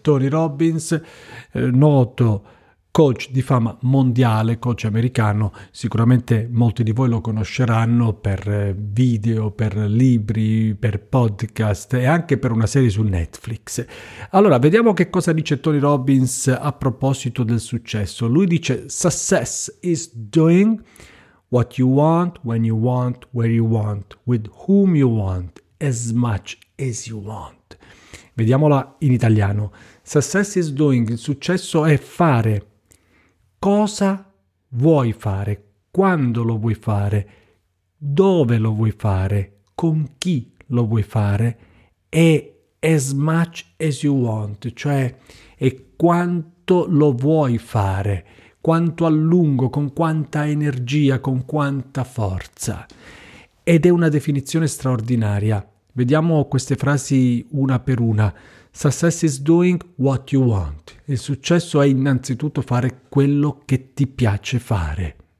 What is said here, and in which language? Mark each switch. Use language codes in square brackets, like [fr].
[it] Tony Robbins, noto coach di fama mondiale, coach americano, sicuramente molti di voi lo conosceranno per video, per libri, per podcast e anche per una serie su Netflix. Allora, vediamo che cosa dice Tony Robbins a proposito del successo. Lui dice: [en] "Success is doing what you want, when you want, where you want, with whom you want, as much as you want." [it] Vediamola in italiano. [en] Success is doing, [it] il successo è fare. Cosa vuoi fare? Quando lo vuoi fare? Dove lo vuoi fare? Con chi lo vuoi fare? E [en] as much as you want, [it] cioè e quanto lo vuoi fare? Quanto a lungo, con quanta energia, con quanta forza? Ed è una definizione straordinaria. Vediamo queste frasi una per una. [en] Success is doing what you want. [it] Il successo è innanzitutto fare quello che ti piace fare.